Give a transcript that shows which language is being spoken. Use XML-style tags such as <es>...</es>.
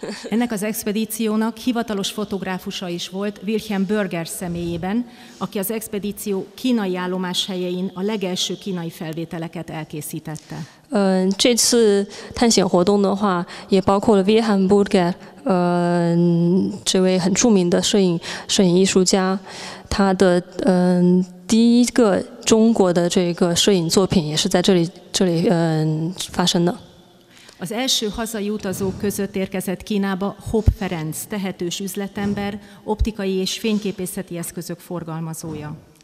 <hu>Ennek az expedíciónak hivatalos fotográfusa is volt Wilhelm Burger személyében, aki az expedíció kínai állomáshelyein a legelső kínai felvételeket elkészítette.</hu> <zh>这次探险活动的话，也包括了 Wilhelm Burger， 这位很著名的摄影艺术家，他的第一个中国的这个摄影作品也是在这里发生的。</zh> <hu>Az első hazai utazók között érkezett Kínába Hopp Ferenc, tehetős üzletember, optikai és fényképészeti eszközök forgalmazója.</hu>